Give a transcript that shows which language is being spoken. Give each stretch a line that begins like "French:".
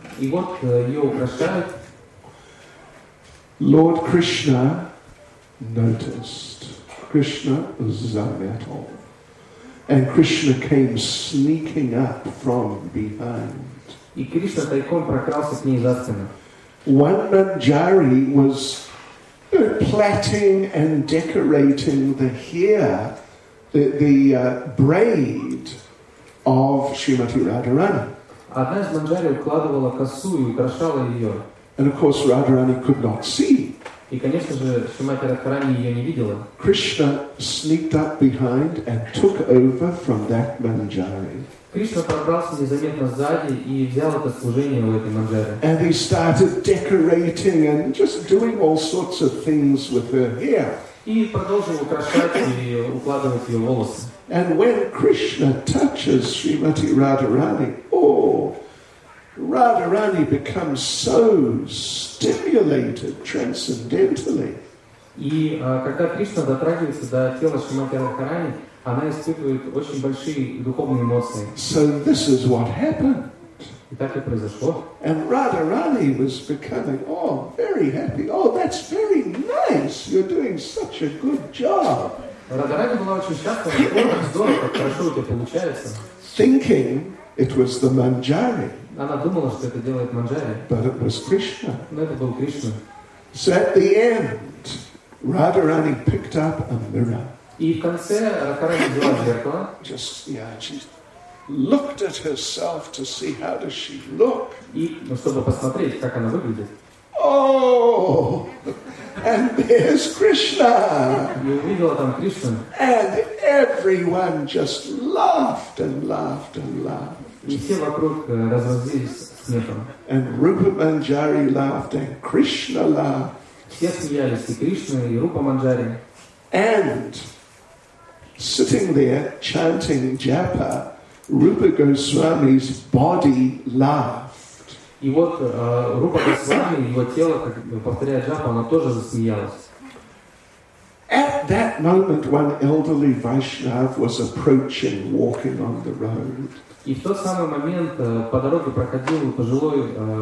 Russian: И вот ее украшают.
English: Lord Krishna noticed. Krishna
Russian: заметил.
English: And Krishna came sneaking up from behind.
Russian: И Кришна тайком прокрался к ней за спину.
English: One manjari was plaiting and decorating the hair, the braid of Srimati Radharani.
Russian: Одна из манджари укладывала косу и украшала ее.
English: And of course Radharani could not see.
Russian: И, конечно же, Шримати Радхарани ее не видела.
English: Krishna sneaked up behind and took over from that manjari.
Russian: Кришна пробрался незаметно сзади и взял это служение у этой манджари.
English: And he started decorating and just doing all sorts of things with her hair.
Russian: И продолжил украшать и укладывать ее волосы.
English: And when Krishna touches Srimati Radharani, oh, Radharani becomes so stimulated transcendentally.
Russian: И когда Кришна дотрагивается до тела Шримати Радхарани, она испытывает очень большие духовные эмоции.
English: So this is what happened. And Radharani was becoming, oh, very happy. Oh, that's very nice. You're doing such a good job.
Russian: Радхарани была очень счастлива, как здорово, как хорошо у тебя получается.
English: Thinking it was the manjari.
Russian: Она думала, что это делает манджари.
English: But it was Krishna.
Russian: Но это был Кришна.
English: So at the end, Radharani picked up a mirror.
Russian: И в конце Радхарани взяла зеркало.
English: Just, yeah, she looked at herself to see how does she look.
Russian: И, ну, чтобы посмотреть, как она выглядит.
English: Oh, and there's Krishna.
Russian: И увидела там Кришну.
English: And everyone just laughed and laughed and laughed.
Russian: И все вокруг разразились смехом.
English: And Rupa Manjari laughed and Krishna laughed.
Russian: Все смеялись, и Кришна, и Рупа Манджари.
English: And sitting there chanting japa, Rupa Goswami's body laughed.
Russian: И вот Рупа Госвами, его тело, как повторяя джапа, оно тоже засмеялось.
English: At that moment one elderly Vaishnav was approaching, walking on the road.
Russian: И в тот самый момент по дороге проходил пожилой